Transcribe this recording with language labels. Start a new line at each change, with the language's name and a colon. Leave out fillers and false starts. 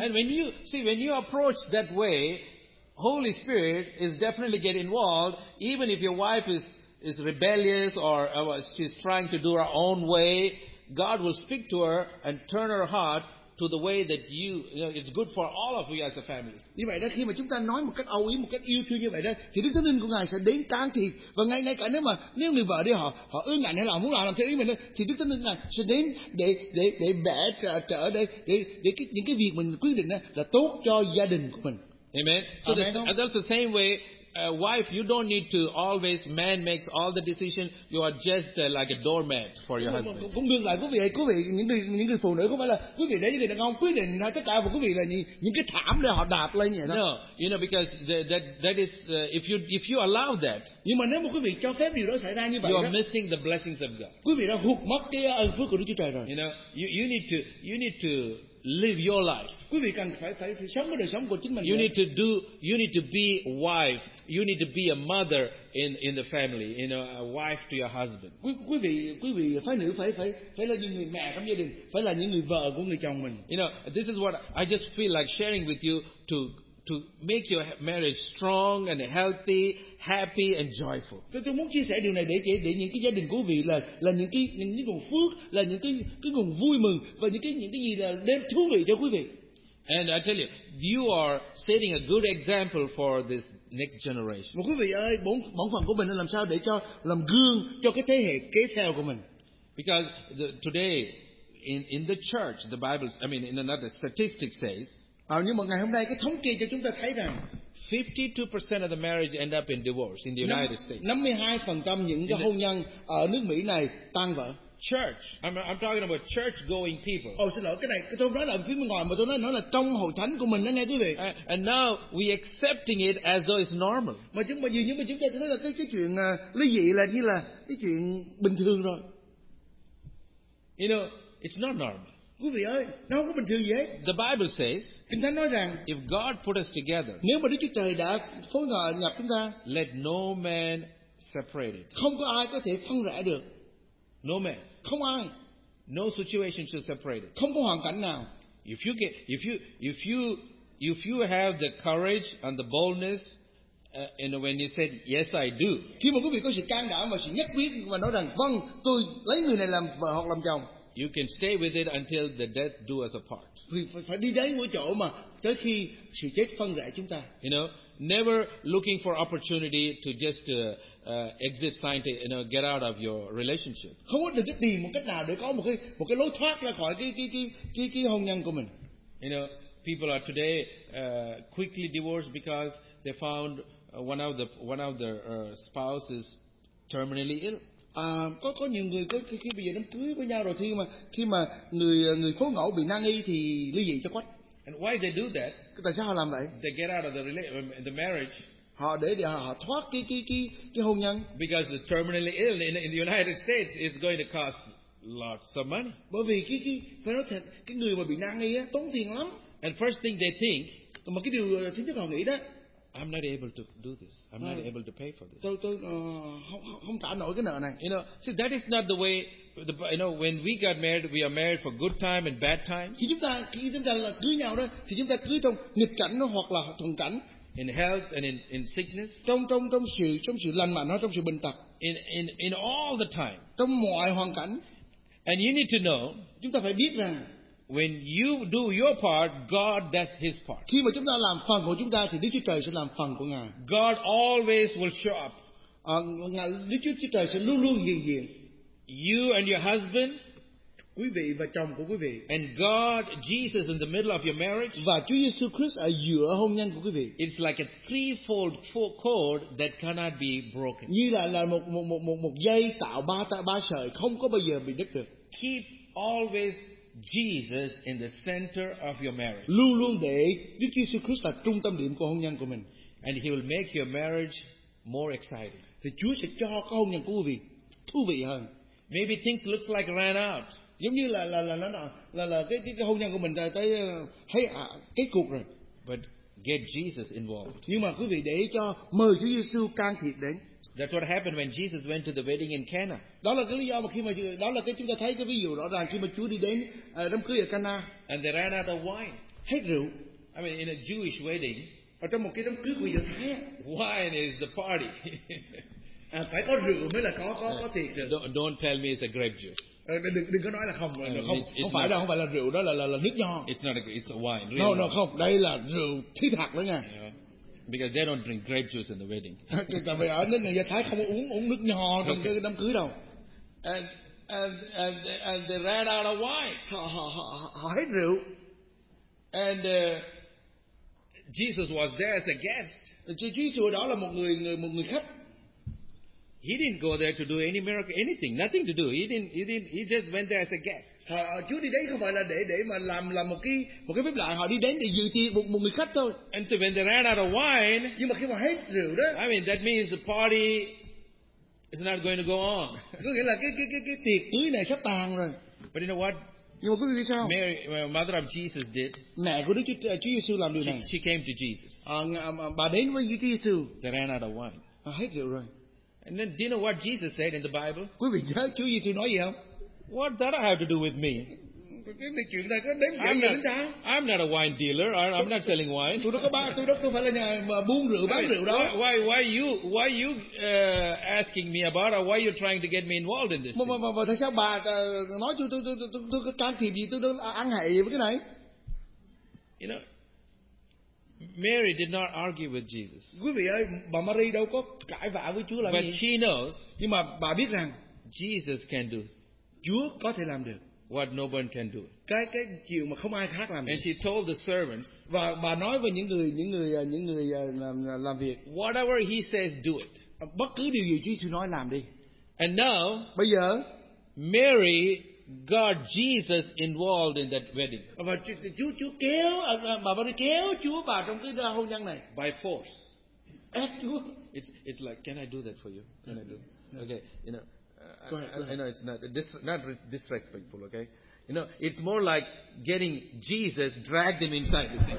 English: And when you approach that way, Holy Spirit is definitely get involved, even if your wife is rebellious or she's trying to do her own way. God will speak to her and turn her heart to the way that you know, it's good for all of you as a family.
Vietnamese: Như vậy đó, khi mà chúng ta nói một cách âu yếm, một cách yêu thương như vậy đó, thì Đức Thánh Linh của Ngài sẽ đến can thiệp. Và ngay cả nếu người vợ đi họ ưa ngại hay là muốn làm theo ý mình đó, thì Đức Thánh Linh Ngài sẽ đến để bẻ trở đây để những cái việc mình quyết định đó, là tốt cho gia đình của mình.
English: Amen. So that's the same way, wife, you don't need to always, man makes all the decision, you are just like a doormat for your husband.
Vietnamese: Cũng ngược lại, quý vị, những người phụ nữ cũng phải là, quý vị để những người đàn ông quyết định tất cả, và quý vị là những cái thảm để họ đạp lên vậy đó.
English: No, you know, because that is, if you allow that,
Vietnamese: nhưng mà nếu mà quý vị cho phép điều đó xảy ra như vậy,
English: you are missing the blessings of God.
Vietnamese: Quý vị đã hụt mất cái ơn phước của Đức Chúa Trời rồi.
English: You know, you need to live your life.
Vietnamese: Quý vị cần phải sống cái đời sống của chính mình.
English: You need to be a wife. You need to be a mother in the family. You know, a wife to your husband.
Vietnamese: Quý vị phái nữ phải là những người mẹ trong gia đình, phải là những người vợ của người chồng mình.
English: You know, this is what I just feel like sharing with you to make your marriage strong and healthy, happy and joyful.
Vietnamese: Tôi muốn chia sẻ điều này để những cái gia đình của quý vị là những cái nguồn phước, là những cái nguồn vui mừng và những cái gì là đem thú vị cho quý vị.
English: And I tell you, you are setting a good example for this next generation.
Vietnamese: Quý vị ơi, bổn phận của mình là làm sao để cho làm gương cho cái thế hệ kế theo của mình.
English: Because today in the church, the Bible, I mean, in another statistic says,
Vietnamese: nhưng mà ngày hôm nay cái thống kê cho chúng ta thấy rằng
English: 52% of the marriage end up in divorce in the United States.
Vietnamese: 52% những cái hôn nhân ở nước Mỹ này tan vỡ.
English: Church. I'm talking about church going people.
Vietnamese: Oh, xin lỗi, cái này tôi nói là phía bên ngoài, mà tôi nói là trong hội thánh của mình đó nghe quý vị.
English: And now we accepting it as though it's normal.
Vietnamese: Mà chúng ta thấy là cái chuyện ly dị là như là cái chuyện bình thường rồi.
English: You know, it's not normal.
Vietnamese: Quý vị ơi, nó không có bình thường gì hết.
English: The Bible says,
Vietnamese: Kinh Thánh nói rằng,
English: if God put us together,
Vietnamese: nếu mà Đức Chúa Trời đã phối ngợi nhập chúng ta,
English: let no man separate it.
Vietnamese: Không có ai có thể phân rẽ được.
English: No man.
Vietnamese: Không ai.
English: No situation should separate it.
Vietnamese: Không có hoàn cảnh nào.
English: If you have the courage and the boldness, and when you said yes, I do.
Vietnamese: Khi mà quý vị có sự can đảm và sự nhất quyết và nói rằng, vâng, tôi lấy người này làm vợ hoặc làm chồng.
English: You can stay with it until the death do us apart.
Vietnamese: Phải đi đến mỗi chỗ mà tới khi sự chết phân rẽ chúng ta.
English: You know, never looking for opportunity to just exit sign to, you know, get out of your relationship.
Vietnamese: Không có được cái tìm một cách nào để có một cái lối thoát ra khỏi cái hôn nhân của mình.
English: You know, people are today quickly divorced because they found one of their spouses terminally ill.
Vietnamese: có nhiều người có khi bây giờ đám cưới với nhau rồi khi mà người phối ngẫu bị nan y thì ly dị cho quách.
English: And why they do that?
Vietnamese: Tại sao họ làm vậy?
English: They get out of the marriage.
Vietnamese: Họ để họ thoát cái hôn nhân.
English: Because the terminally ill in the United States is going to cost lots of money.
Vietnamese: Bởi vì phải nói thật, cái người mà bị nan y á tốn tiền lắm.
English: And first thing they think,
Vietnamese: mà cái điều thứ nhất họ nghĩ đó,
English: I'm not able to do this. I'm not able to pay for this.
Vietnamese: Tôi không trả nổi cái nợ này.
English: You know, see, that is not the way. When we got married, we are married for good time and bad time.
Vietnamese: Khi chúng ta là cưới nhau đó, thì chúng ta cưới trong nghịch cảnh nó hoặc là thuận cảnh.
English: In health and in sickness.
Vietnamese: Trong sự lành mạnh nó, trong sự bệnh tật.
English: In all the time.
Vietnamese: Trong mọi hoàn cảnh.
English: And you need to know.
Vietnamese: Chúng ta phải biết rằng.
English: When you do your part, God does His part.
Vietnamese: Khi mà chúng ta làm phần của chúng ta, thì Đức Chúa Trời sẽ làm phần của Ngài.
English: God always will show up.
Vietnamese: Đức Chúa Trời sẽ luôn luôn hiện diện.
English: You and your husband,
Vietnamese: quý vị và chồng của quý vị,
English: and God, Jesus, in the middle of your marriage,
Vietnamese: và Chúa Giêsu Christ ở giữa hôn nhân của quý vị.
English: It's like a threefold cord that cannot be broken.
Vietnamese: Như là một dây tạo ba sợi không có bao giờ bị đứt được.
English: Keep always Jesus in the center of your marriage.
Vietnamese: Luôn luôn để Đức Chúa Giêsu Christ là trung tâm điểm của hôn nhân của mình.
English: And He will make your marriage more exciting.
Vietnamese: Thì Chúa sẽ cho cái hôn nhân của quý vị thú vị hơn.
English: Maybe things looks like ran out.
Vietnamese: Giống như là cái hôn nhân của mình tới thấy kết cục rồi.
English: But get Jesus involved.
Vietnamese: Nhưng mà quý vị để cho mời Chúa Giêsu can thiệp đến.
English: That's what happened when Jesus went to the wedding in Cana.
Vietnamese: Đó là cái lý do mà khi mà đó là cái chúng ta thấy cái ví dụ rõ ràng khi mà Chúa đi đến đám cưới ở Cana.
English: And they ran out of wine.
Vietnamese: Hết rượu.
English: I mean, in a Jewish wedding.
Vietnamese: Ở trong một cái đám cưới của Do Thái.
English: Wine is the party.
Vietnamese: phải có rượu mới là có tiệc được.
English: Don't tell me it's a grape juice.
Vietnamese: Đừng có nói là không. Không phải là rượu đó là nước nho.
English: It's not it's a wine. Really no, wrong.
Vietnamese: Không. Đây là rượu thi thật đó nha.
English: Yeah. Because they don't drink grape juice in the wedding.
Vietnamese: Tại vì ở nước người Do Thái không uống nước nho trong cái đám cưới đâu.
English: And they ran out of wine.
Vietnamese: Họ hết rượu.
English: And Jesus was there as a guest.
Vietnamese: Jesus đó là một người khách.
English: He didn't go there to do any miracle, anything, nothing to do. He just went there as a guest.
Vietnamese: Chúa đi đấy không phải là để mà làm một cái phép lạ. Họ đi đến để dự tiệc một người khách thôi.
English: And so when they ran out of wine,
Vietnamese: nhưng mà khi mà hết rượu đó,
English: I mean that means the party is not going to go on.
Vietnamese: Có nghĩa là cái tiệc cưới này sắp tàn rồi.
English: But you know what?
Vietnamese: Nhưng mà quý vị biết sao?
English: Mary, mother of Jesus did.
Vietnamese: Mẹ của Đức Chúa Giêsu làm điều này.
English: She came to Jesus.
Vietnamese: Bà đến với Chúa Giêsu.
English: They ran out of wine.
Vietnamese: Hết rượu rồi.
English: And then, do you know what Jesus said in the Bible?
Vietnamese: Quý vị nhớ Chúa Giêsu nói gì không?
English: What that have to do with me?
Vietnamese: Cái chuyện này có đến gì với chúng ta?
English: I'm not a wine dealer. I'm not selling wine.
Vietnamese: Tôi đâu có phải là nhà buôn rượu bán rượu đó.
English: Why you asking me about or why you trying to get me involved in this?
Vietnamese: Mà tại sao bà nói cho tôi can thiệp gì? Tôi ăn hại gì với cái này?
English: You know. Mary did not argue with Jesus.
Vietnamese: Quý vị ơi, bà Mary đâu có cãi vã với Chúa làm
English: but
Vietnamese: gì.
English: But she knows.
Vietnamese: Nhưng mà bà biết rằng
English: Jesus can do.
Vietnamese: Chúa có thể làm được.
English: What no one can do.
Vietnamese: Cái chuyện mà không ai khác làm được.
English: And she told the servants.
Vietnamese: Và bà nói với những người làm việc.
English: Whatever he says, do it.
Vietnamese: Bất cứ điều gì Chúa nói làm đi.
English: And now.
Vietnamese: Bây giờ.
English: Mary got Jesus involved in that wedding.
Vietnamese: Và Chúa kéo bà Mary kéo Chúa vào trong cái hôn nhân này.
English: By force.
Vietnamese: Ép Chúa.
English: It's like, can I do that for you? Can I do? Okay, you know. Go ahead. I know it's not disrespectful, okay? You know, it's more like getting Jesus dragged him inside.